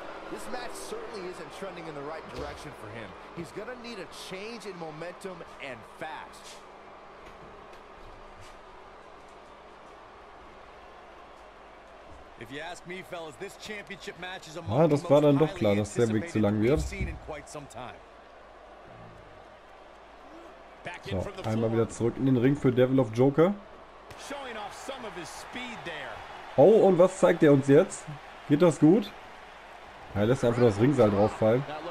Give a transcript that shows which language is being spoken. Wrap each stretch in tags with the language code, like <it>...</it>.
<en>This match certainly isn't trending in the right direction for him. He's gonna need a change in momentum and fast. If you ask me, fellas, this championship match is among the most highly anticipated we've seen in quite some time.</en> <de>So, einmal wieder zurück in den Ring für Devil of Joker.</de> <en>Showing off some of his speed there.</en> <de>Oh, und was zeigt er uns jetzt? Geht das gut? Er lässt einfach das Ringseil drauf fallen.</de>